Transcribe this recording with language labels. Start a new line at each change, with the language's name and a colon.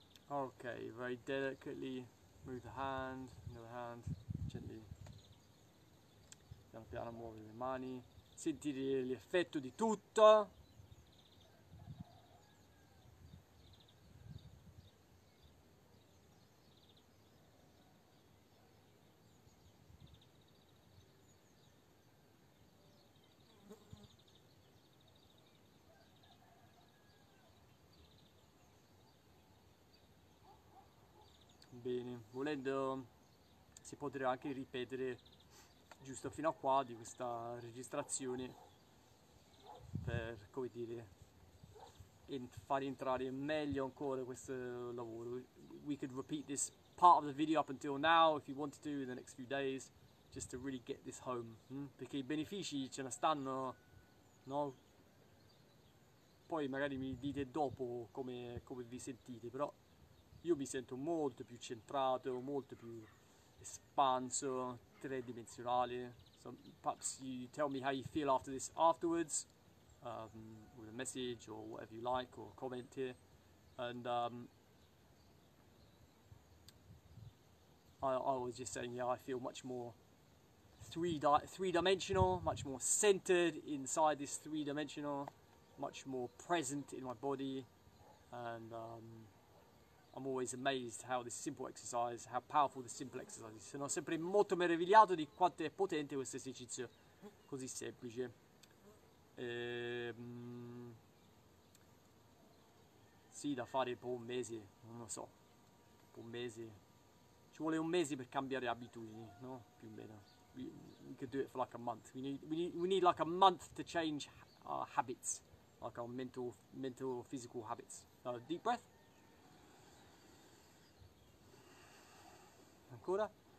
English: Okay, very delicately move the hand, another hand, gently.
Italian: Piano piano muovere le mani, sentire l'effetto di tutto. Bene, volendo si potrà anche ripetere giusto fino a qua di questa registrazione per, come dire, far entrare meglio ancora questo lavoro.
English: We could repeat this part of the video up until now if you wanted to in the next few days just to really get this home,
Italian: perché i benefici ce ne stanno, no? Poi magari mi dite dopo come vi sentite, però io mi sento molto più centrato, molto più espanso, tridimensionale.
English: So perhaps you tell me how you feel after this afterwards, with a message or whatever you like, or comment here. And I was just saying, yeah, I feel much more three-dimensional, much more centered inside this three-dimensional, much more present in my body, and I'm always amazed how this simple exercise, how powerful this simple exercise is.
Italian: Sono sempre molto meravigliato di quanto è potente questo esercizio. così semplice. Sì, da fare poi un mese, non lo so, un mese. Ci vuole un mese per cambiare abitudini, no? Più o meno.
English: We could do it for like a month. We need like a month to change our habits. Like our mental physical habits. Deep breath.
Italian: Ancora.